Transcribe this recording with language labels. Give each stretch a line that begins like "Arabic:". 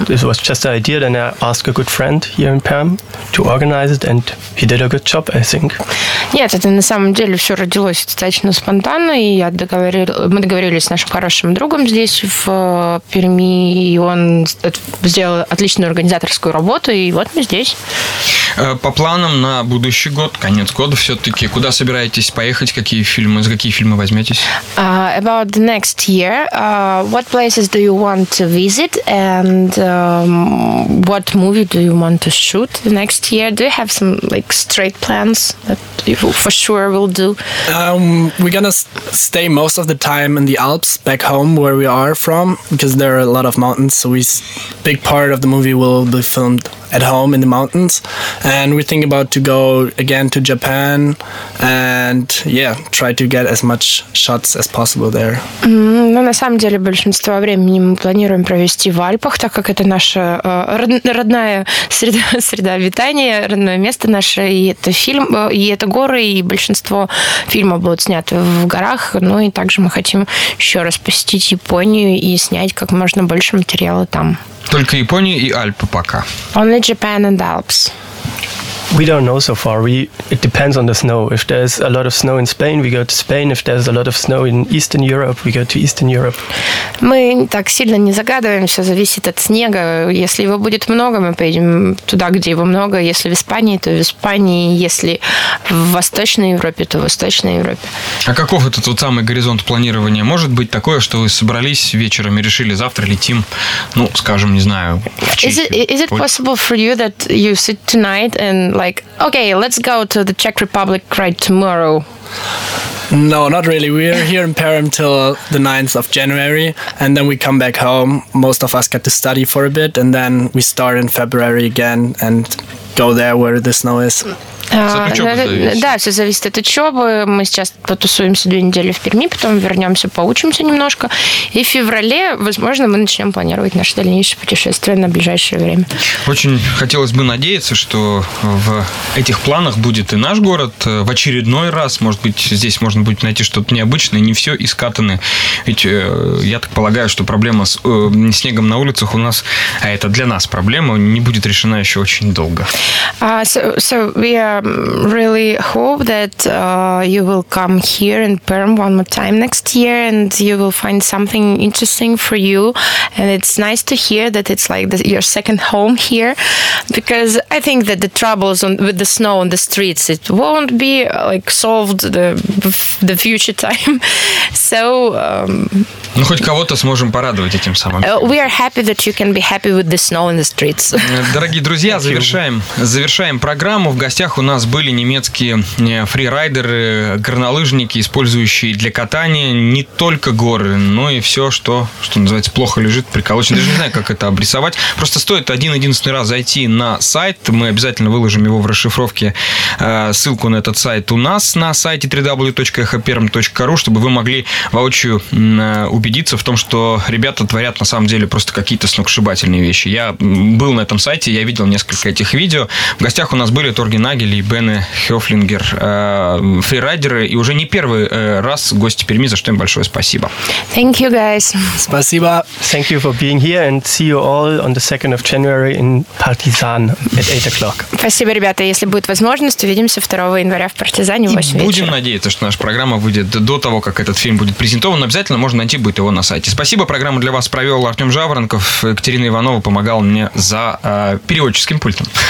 English: This was just an idea, then I asked a good friend here in Perm to organize it, and he did a good job, I think.
Russian: Нет, это на самом деле все родилось достаточно спонтанно, и я мы договорились с нашим хорошим другом здесь, в Перми, и он сделал отличную организаторскую работу, и вот мы здесь. По планам на будущий год, конец года все-таки, куда собираетесь поехать, за какие фильмы возьметесь?
English: About the next year, what places do you want to visit, and what movie do you want to shoot the next year? Do you have some like straight plans that you for sure will do? We're gonna stay most of the time in the Alps back home where we are from, because there are a lot of mountains, so big part of the movie will be filmed at home in the mountains, and we think about to go again to Japan and yeah, try to get as much shots as possible there.
Russian: Ну, на самом деле, большинство времени мы планируем провести в Альпах, так как это наша родная среда обитания, родное место наше, и это фильм, и это горы, и большинство фильмов будут сняты в горах, ну и также мы хотим еще раз посетить Японию и снять как можно больше материала там. Только Япония и Альпы пока.
English: Only Japan and Alps. We don't know so far. It depends on the snow. If there's a lot of snow in Spain, we go to Spain. If there's a lot of snow in Eastern Europe, we go to Eastern Europe.
Russian: Мы так сильно не загадываем, все зависит от снега. Если его будет много, мы поедем туда, где его много. Если в Испании, то в Испании. Если в Восточной Европе, то в Восточной Европе. А каков этот вот самый горизонт планирования? Может быть такое, что вы собрались вечером и решили, завтра летим, ну, скажем, не знаю, в Чехию?
English: Is it possible for you that you sit tonight and like, okay, let's go to the Czech Republic right tomorrow? No, not really. We are here in Perm till the 9th of January, and then we come back home. Most of us get to study for a bit, and then we start in February again and go there where the snow is.
Russian: Да, все зависит от учебы. Мы сейчас потусуемся 2 недели в Перми, потом вернемся, поучимся немножко. И в феврале, возможно, мы начнем планировать наше дальнейшее путешествие на ближайшее время. Очень хотелось бы надеяться, что в этих планах будет и наш город в очередной раз. Может быть, здесь можно будет найти что-то необычное, не все искатанное. Ведь я так полагаю, что проблема с снегом на улицах у нас, а это для нас проблема, не будет решена еще очень долго.
English: Really hope that you will come here in Perm one more time next year, and you will find something interesting for you. And it's nice to hear that it's like your second home here, because I think that the troubles with the snow on the streets, it won't be like solved the future time. So.
Russian: Ну, хоть кого-то сможем порадовать этим самым.
English: We are happy that you can be happy with the snow in the streets.
Russian: Дорогие друзья, завершаем программу. В гостях у нас были немецкие фрирайдеры, горнолыжники, использующие для катания не только горы, но и все, что называется, плохо лежит, приколочено. Даже не знаю, как это обрисовать. Просто стоит один-единственный раз зайти на сайт. Мы обязательно выложим его в расшифровке. Ссылку на этот сайт у нас на сайте www.echoperm.ru, чтобы вы могли воочию убедиться в том, что ребята творят на самом деле просто какие-то сногсшибательные вещи. Я был на этом сайте, я видел несколько этих видео. В гостях у нас были Торги Нагель и Бене Хёфлингер, фрирайдеры, и уже не первый раз гости Перми, за что им большое спасибо.
English: Thank you, guys.
Russian: Спасибо.
English: Thank you for being here, and see you all on the 2nd of January in Partizan at 8 o'clock.
Russian: Спасибо, ребята. Если будет возможность, увидимся 2 января в Партизане в 8 вечера. Будем надеяться, что наша программа выйдет до того, как этот фильм будет презентован. Обязательно можно найти будет его на сайте. Спасибо. Программу для вас провел Артем Жаворонков. Екатерина Иванова помогала мне за переводческим пультом.